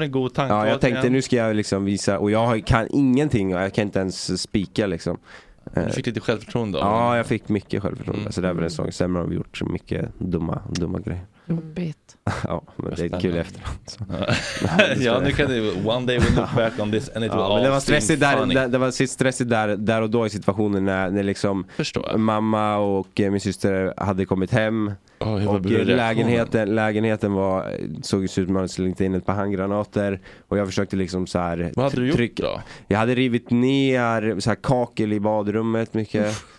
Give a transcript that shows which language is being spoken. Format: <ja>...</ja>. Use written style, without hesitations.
<sv>en god tanke. Ja, jag tänkte nu ska jag liksom visa, och jag kan ingenting, och jag kan inte ens spika liksom. Du fick lite självförtroende då? Ja, jag fick mycket självförtroende. Så det är väl en sak. Sen har vi gjort så mycket dumma grejer. Jobbigt. Ja, men det är kul efterhand. Ja, nu kan du,</sv> <en>one day we'll look back on this and it will all seem funny.</en> <sv>Det var stressigt där och då i situationen när liksom mamma och min syster hade kommit hem. Lägenheten var, såg ut som att man slängt in ett par handgranater, och jag försökte liksom så här. Vad hade du gjort då? Jag hade rivit ner så här kakel i badrummet mycket.</sv>